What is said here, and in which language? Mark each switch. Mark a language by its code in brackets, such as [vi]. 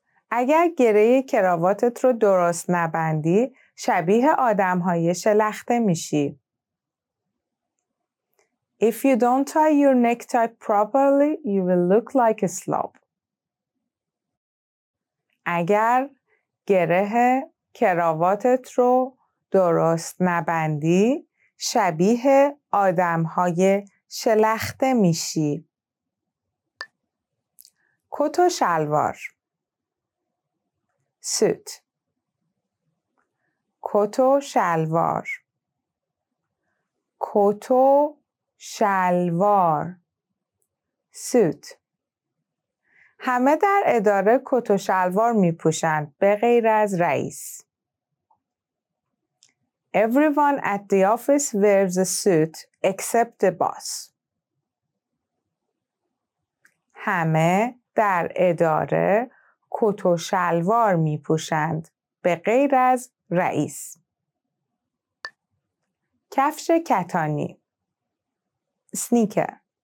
[fa] اگر گره کراواتت رو درست نبندی، شبیه آدم‌های شلخته میشی. [en] If you don't tie your necktie properly, you will look like a slob. [fa] اگر گره کراواتت رو درست نبندی، شبیه آدم‌های شلخته میشی. کت و شلوار suit. کت و شلوار. کت و شلوار. suit. همه در اداره کت و شلوار می پوشند به غیر از رئیس. [en] Everyone at the office wears a suit except the boss. [fa] همه در اداره کت و شلوار می پوشند به غیر از رئیس. کفش کتانی sneaker.